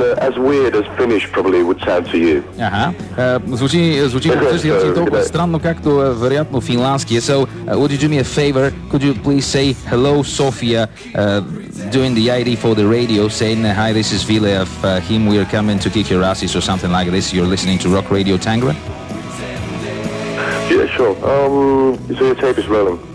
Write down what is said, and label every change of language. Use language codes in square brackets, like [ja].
[en] As weird as Finnish probably would sound to you. Uh-huh. [bg] Звучи толкова странно, както вероятно финландския. [en] So, would you do me a favor? Could you please say hello, Sofia, doing the ID for the radio, saying hi, this is Ville of him, we are coming to kick your asses or something like this. You're listening to Rock Radio Tangra? Yeah, sure. So your tape is rolling.